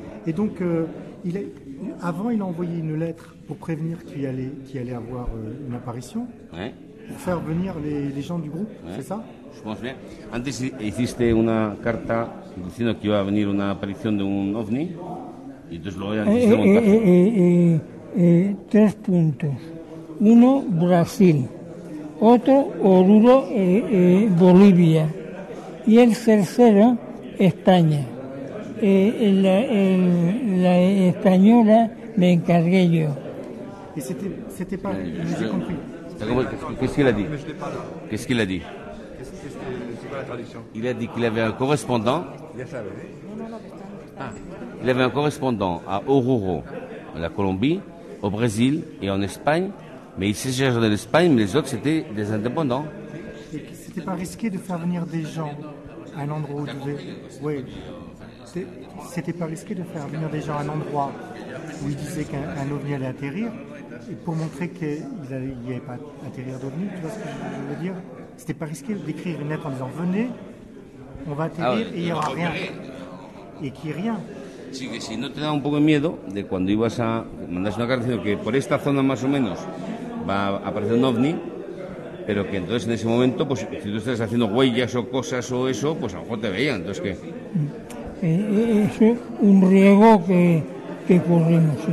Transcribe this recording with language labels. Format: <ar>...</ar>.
<fr>Et donc, il a envoyé une lettre pour prévenir qu'il allait avoir une apparition, ouais. Pour faire venir les gens du groupe, ouais. C'est ça? Je pense bien.</fr> <es>Antes, hiciste una carta diciendo</es> <fr>qu'il va venir une apparition d'un ovni.</fr> <es>Y entonces lo voy a hacer montaje. Tres puntos. Uno, Brasil. Otro, Oruro, Bolivia. Y el tercero, España. La española me encargué yo.</es> <fr>Y c'était pas.</fr> <es>¿Qué es que le ha dicho? ¿Qué es la traducción?</es> <fr>Il a dit qu'il avait un correspondant.</fr> <es>Ya sabes,</es> <fr>Il avait un correspondant à Oruro, à la Colombie, au Brésil et en Espagne. Mais ils se cherchaient de l'Espagne, mais les autres, c'était des indépendants. Et c'était pas risqué de faire venir des gens à un endroit où ils disaient... Oui, c'était pas risqué de faire venir des gens à un endroit où ils disaient qu'un ovni allait atterrir, et pour montrer qu'il n'y avait pas atterrir d'ovni, tu vois ce que je veux dire? C'était pas risqué d'écrire une lettre en disant « Venez, on va atterrir, et il n'y aura rien. » Et qu'il n'y ait rien.</fr> <es>Sí, que si no te da un poco de miedo de cuando ibas a mandar una carta diciendo que por esta zona más o menos va a aparecer un ovni, pero que entonces en ese momento, pues si tú estás haciendo huellas o cosas o eso, pues a lo mejor te veían. Entonces, ¿qué? Es un riesgo que corrimos.</es>